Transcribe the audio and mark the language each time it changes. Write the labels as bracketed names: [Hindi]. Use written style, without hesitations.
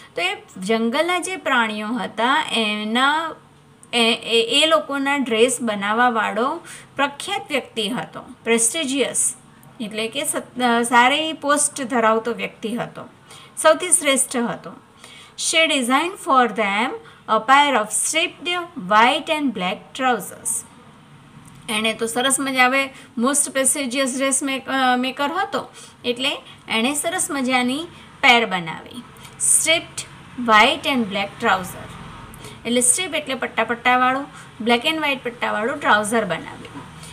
[Gujarati] તો એ જંગલના જે પ્રાણીઓ હતા એના એ લોકોના ડ્રેસ બનાવવાવાળો પ્રખ્યાત વ્યક્તિ હતો. પ્રેસ્ટિજિયસ એટલે કે સારી પોસ્ટ ધરાવતો વ્યક્તિ હતો, સૌથી શ્રેષ્ઠ હતો. [English] She designed for them a pair of striped white and black trousers. [Gujarati] એણે તો સરસ મજાની [English] most prestigious dress maker [Gujarati] હતો એટલે એણે સરસ મજાની પેર બનાવી. [English] striped white and black trouser [Gujarati] એટલે સ્ટ્રીપ એટલે પટ્ટાવાળું, બ્લેક એન્ડ વ્હાઇટ પટ્ટાવાળું ટ્રાઉઝર બનાવ્યું.